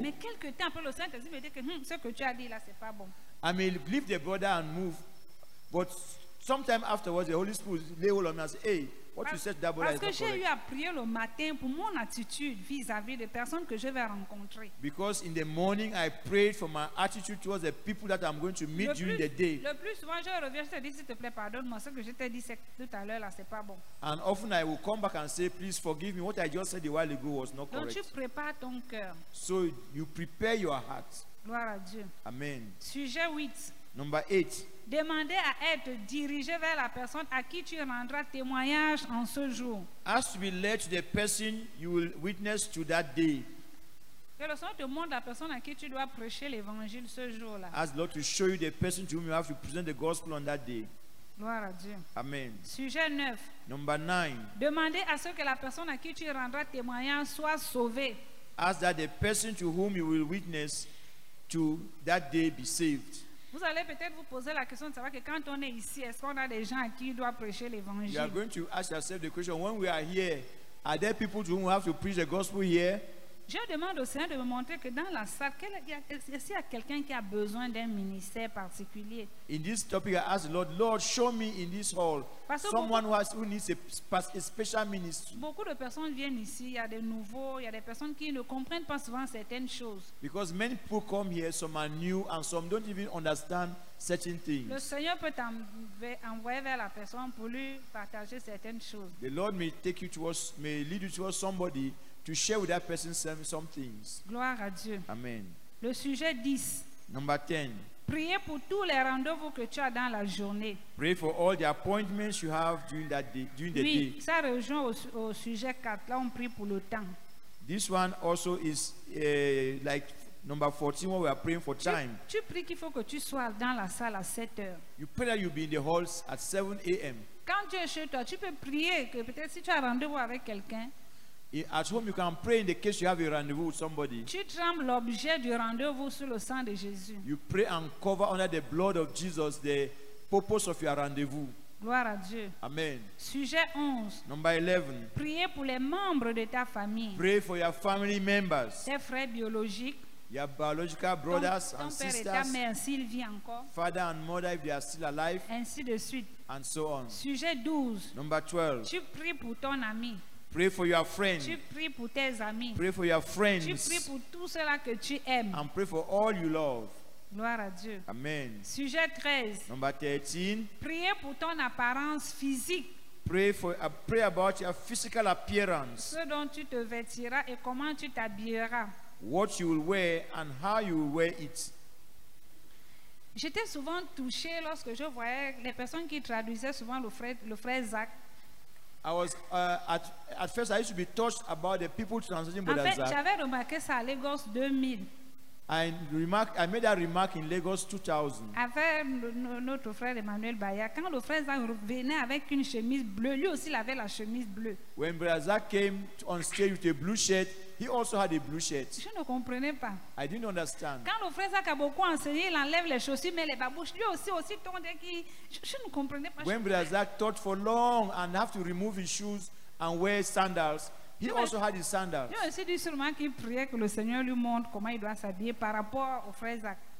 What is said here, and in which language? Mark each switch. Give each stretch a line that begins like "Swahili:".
French: Mais quelque temps après le Saint-Esprit me dit que ce que tu as dit là c'est pas bon.
English: I may leave the brother and move, but sometime afterwards the Holy Spirit lay hold on me and say, hey, what
French: parce,
English: you said to that brother is not correct.
French: Parce que j'ai eu à prier le matin pour mon attitude vis-à-vis des personnes que je vais rencontrer.
English: Because in the morning I prayed for my attitude towards the people that I'm going to meet
French: plus,
English: during the day.
French: Le plus souvent je reviens, je te dis s'il te plaît pardonne-moi ce que je t'ai dit tout à l'heure là c'est pas bon.
English: And often I will come back and say, please forgive me, what I just said a while ago was not correct.
French: Donc tu prépares ton cœur.
English: So you prepare your heart.
French: Gloire à Dieu.
English: Amen.
French: Sujet 8.
English: Number 8.
French: Demandez à être dirigé vers la personne à qui tu rendras témoignage en ce jour.
English: Ask to be led to the person you will witness to that day.
French: Que le Seigneur te montre la personne à qui tu dois prêcher l'évangile ce jour-là.
English: Ask the Lord to show you the person to whom you have to present the gospel on that day.
French: Gloire à Dieu.
English: Amen.
French: Sujet 9.
English: Number 9.
French: Demandez à ce que la personne à qui tu rendras témoignage soit sauvée.
English: Ask that the person to whom you will witness to that day be saved.
French: Vous allez peut-être vous poser la question de savoir que quand on est ici, est-ce qu'on a des gens à qui il doit prêcher l'évangile?
English: You are going to ask yourself the question, when we are here, are there people to whom we have to preach the gospel here?
French: Je demande au Seigneur de me montrer que dans la salle, s'il y a quelqu'un qui a besoin d'un ministère particulier.
English: In this topic, I ask the Lord, Lord, show me in this hall someone who needs a special ministry.
French: Beaucoup de personnes viennent ici. Il y a des nouveaux, il y a des personnes qui ne comprennent pas souvent certaines choses.
English: Because many people come here, some are new and some don't even understand certain things.
French: Le Seigneur peut t'envoyer vers la personne pour lui partager certaines choses.
English: The Lord may take you towards, may lead you towards somebody to share with that person some things.
French: Gloire à Dieu.
English: Amen.
French: Le sujet 10.
English: Number 10.
French: Priez pour tous les rendez-vous que tu as dans la journée.
English: Pray for all the appointments you have during that day. During
French: oui,
English: the day.
French: Ça rejoint au sujet 4. Là, on prie pour le temps.
English: This one also is like number 14, when we are praying for time.
French: Tu pries qu'il faut que tu sois dans la salle à 7 heures.
English: You pray that you'll be in the halls at 7 a.m.
French: Quand tu es chez toi, tu peux prier que peut-être si tu as rendez-vous avec quelqu'un,
English: at home you can pray in the case you have a rendezvous with somebody.
French: Tu trembles l'objet du rendez-vous sous le sang de Jésus.
English: You pray and cover under the blood of Jesus the purpose of your rendezvous.
French: Gloire à Dieu.
English: Amen.
French: Sujet 11.
English: Number 11.
French: Priez pour les membres de ta famille.
English: Pray for your family members.
French: Tes frères biologiques.
English: Your biological brothers
French: ton
English: and sisters.
French: Ton père et ta mère s'ils vivent encore.
English: Father and mother if they are still alive.
French: Ainsi de suite.
English: And so on.
French: Sujet 12.
English: Number 12.
French: Tu pries pour ton ami.
English: Pray for your friends.
French: Tu pries pour tes amis.
English: Pray for your friends.
French: Tu pries pour tout cela que tu aimes.
English: And pray for all you love.
French: Gloire à Dieu.
English: Amen.
French: Sujet 13.
English: Number 13.
French: Priez pour ton apparence physique.
English: Pray about your physical appearance.
French: Ce dont tu te vêtiras et comment tu t'habilleras.
English: What you will wear and how you will wear it.
French: J'étais souvent touchée lorsque je voyais les personnes qui traduisaient souvent le frère Zach.
English: I was at first I used to be touched about the people translating Brother
French: Zach. En fait, j'avais remarqué ça à Lagos 2000.
English: I made that remark in Lagos 2000.
French: Avec notre frère Emmanuel Baya, quand le frère Zach revenait avec une chemise bleue, lui aussi il avait la chemise bleue.
English: When Brother Zach came on stage with a blue shirt, he also had a blue shirt.
French: Je ne comprenais pas.
English: I didn't understand.
French: Quand le frère Zach a beaucoup enseigné, il enlève les chaussures, met les babouches. Lui aussi tendait qui. Je ne comprenais pas.
English: When Brother Zach taught for long and have to remove his shoes and wear sandals. He also had his sandals.
French: Lui aussi dit sûrement qu'il priait que le Seigneur lui montre comment il doit s'habiller par rapport au frère Zach.